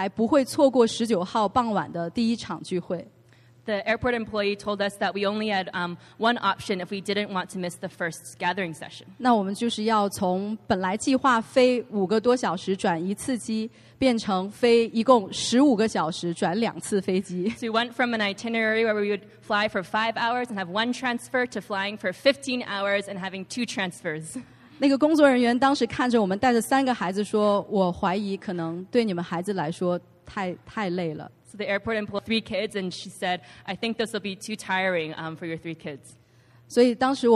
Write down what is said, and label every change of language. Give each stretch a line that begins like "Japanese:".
Chinese: 那工作人员就告诉我们，我们只有一个选择，才不会错过19号傍晚的第一场聚会。
English: The airport employee told us that we only had one option if we didn't want to miss the first gathering session.
Chinese: 那我们就是要从本来计划飞5个多小时转一次机，变成飞一共15个小时转2次飞机。
English: So we went from an itinerary where we would fly for 5 hours and have one transfer to flying for 15 hours and having 2 transfers.
Chinese: 那个工作人员当时看着我们带着3个孩子说，我怀疑可能对你们孩子来说太累了。
English: So the airport employed 3 kids, and she said, I think this will be too tiring for your 3 kids.